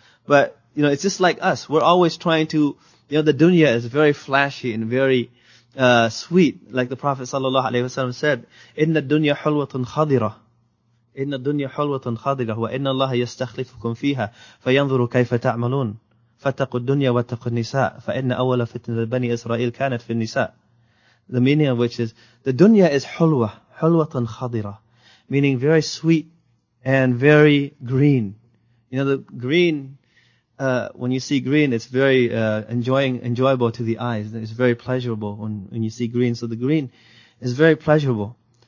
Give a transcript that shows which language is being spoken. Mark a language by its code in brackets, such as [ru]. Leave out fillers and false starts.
[en] But you know, it's just like us. We're always trying to, you know, the dunya is very flashy and very sweet, like the Prophet sallallahu alaihi wasallam said, "Inna dunya halwatun khadira." [ar] إن الدنيا حلوة خاضرة وإن الله يستخلفكم فيها فينظر كيف تعملون فاتقوا الدنيا واتقوا النساء فإن أول فتنة بني إسرائيل كانت في النساء. [en] The meaning of which is, the dunya is [ar] حلوة خاضرة, [en] meaning very sweet and very green. You know, the green, when you see green, it's very enjoyable to the eyes. It's very pleasurable when you see green. So the green is very pleasurable.